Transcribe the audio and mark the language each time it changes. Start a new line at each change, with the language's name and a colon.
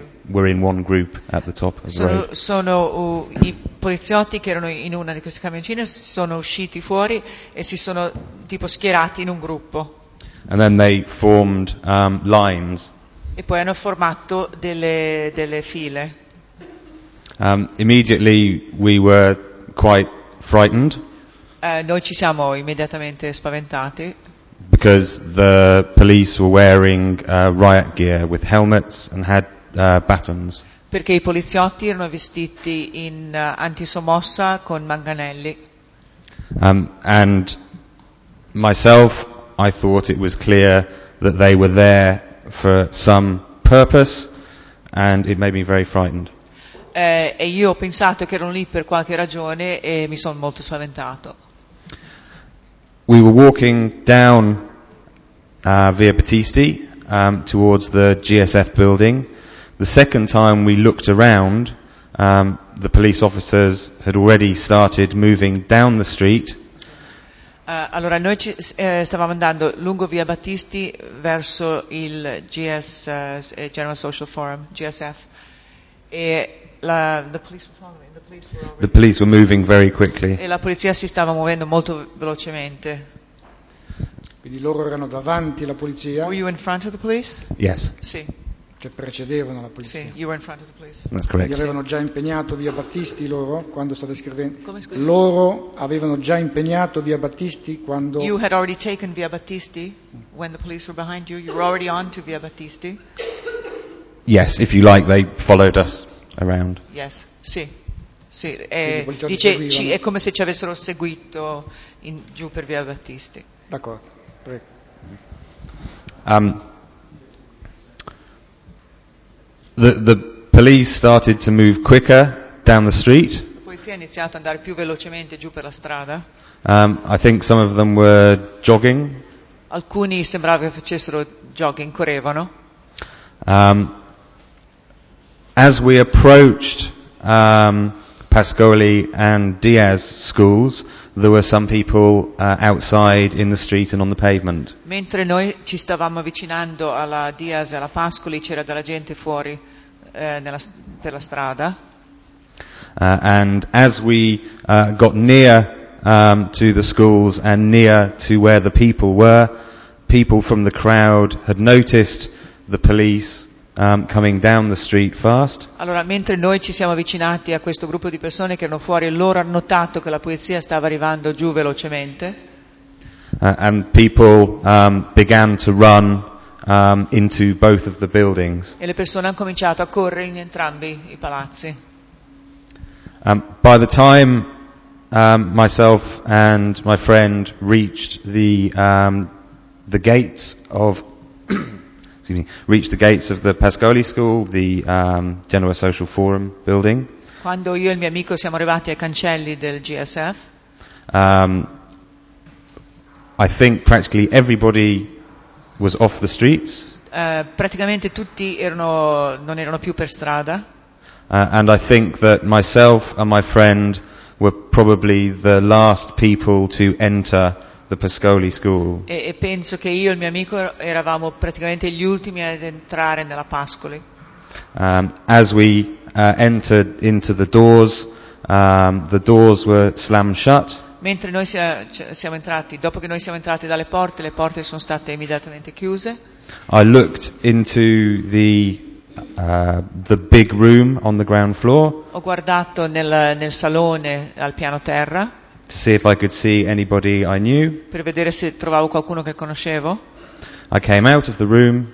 English: We're in one group at the top of the road.
Italian: Sono i poliziotti che erano in una di queste camioncine sono usciti fuori e si sono tipo schierati in un gruppo.
English: And then they formed lines.
Italian: E poi hanno formato delle file.
English: Immediately we were quite frightened.
Italian: Noi ci siamo immediatamente spaventati.
English: Because the police were wearing riot gear with helmets and had batons.
Italian: Perché i poliziotti erano vestiti in antisommossa con manganelli.
English: And myself, I thought it was clear that they were there for some purpose, and it made me very frightened.
Italian: E io ho pensato che erano lì per qualche ragione e mi sono molto spaventato.
English: We were walking down Via Battisti towards the GSF building. The second time we looked around, the police officers had already started moving down the street.
Italian: Allora noi ci, stavamo andando lungo Via Battisti verso il General Social Forum, GSF, e
English: the police were moving very quickly.
Italian: E la polizia si stava muovendo molto velocemente. Quindi loro erano davanti alla polizia.
English: Were you in front of the police? Yes.
Italian: Sì. Che precedevano la polizia. Sì,
English: you were in front of the police. That's correct.
Italian: Gli avevano già impegnato Via Battisti loro quando state scrivendo. Come scusi? Loro avevano già impegnato Via Battisti quando.
English: You had already taken Via Battisti when the police were behind you. You were already on to Via Battisti. Yes, if you like, they followed us around. Yes,
Italian: sì, sì. Dice, è come se ci avessero seguito in, giù per Via Battisti. D'accordo, prego.
English: The police started to move quicker down the street.
Italian: La polizia ha iniziato ad andare più velocemente giù per la strada.
English: I think some of them were jogging.
Italian: Alcuni sembrava che facessero jogging, correvano.
English: As we approached Pascoli and Diaz schools, there were some people outside in the street and on the pavement.
Italian: Mentre noi ci stavamo avvicinando alla Diaz e alla Pascoli, c'era della gente fuori per la strada.
English: And as we got near to the schools and near to where the people were, people from the crowd had noticed the police coming down the street fast.
Italian: Allora, mentre noi ci siamo avvicinati a questo gruppo di persone che erano fuori, loro hanno notato che la polizia stava arrivando giù velocemente.
English: And people began to run into both of the buildings.
Italian: E le persone hanno cominciato a correre in entrambi i palazzi.
English: By the time myself and my friend reached the gates of reached the gates of the Pascoli school, the Genoa Social Forum building.
Italian: Quando io e il mio amico siamo arrivati ai cancelli del GSF,
English: I think practically everybody was off the streets.
Italian: Praticamente tutti non erano più per strada.
English: And I think that myself and my friend were probably the last people to enter the Pascoli school.
Italian: E penso che io e il mio amico eravamo praticamente gli ultimi ad entrare nella Pascoli.
English: As we entered into the doors were slammed shut.
Italian: Mentre noi siamo entrati, dopo che noi siamo entrati dalle porte, le porte sono state immediatamente chiuse.
English: I looked into the big room on the ground floor.
Italian: Ho guardato nel salone al piano terra.
English: To see if I could see anybody I knew.
Italian: Per vedere se trovavo qualcuno che conoscevo.
English: I came out of the room.